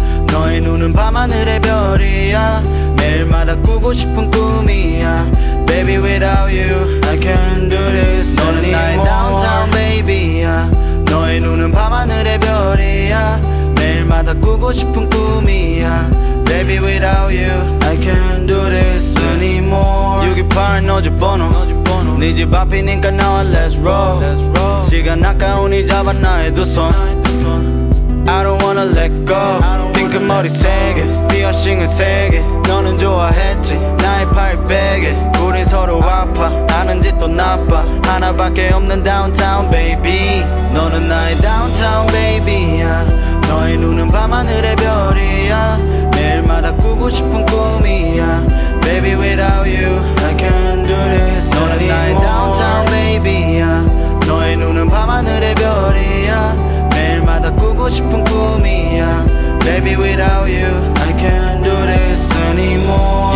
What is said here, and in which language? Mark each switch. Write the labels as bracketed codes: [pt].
[ko] 너의 눈은 밤하늘의 별이야. 매일마다 꾸고 싶은 꿈이야. [en] Baby without you I can't do this. [ko] 너는 나의 [en] downtown baby야. [ko] 너의 눈은 밤하늘의 별이야. 매일마다 꾸고 싶은 꿈이야. [en] Baby without you I can't do this anymore. [ko] 628 너집 번호, 네 집 앞이니까 나와 [en] let's roll. [ko] 시간 아까운 이 잡아 나의 두 손. [en] I don't wanna let go. [ko] 핑크 머리 세게 피어싱은 세게 너는 좋아했지 나의 팔 베개 우린 서로 아파 아는 짓도 나빠 하나밖에 없는 downtown baby. 너는 나의 downtown baby야. 너의 눈은 밤하늘의 별이야. 매일마다 꾸고 싶은 꿈이야. [en] Baby without you I can't do this. [ko] 너는 [en] anymore. [ko] 나의 downtown baby야. 너의 눈은 밤하늘의 별이야. 매일마다 꾸고 싶은 꿈이야. [en] Baby without you I can't do this anymore.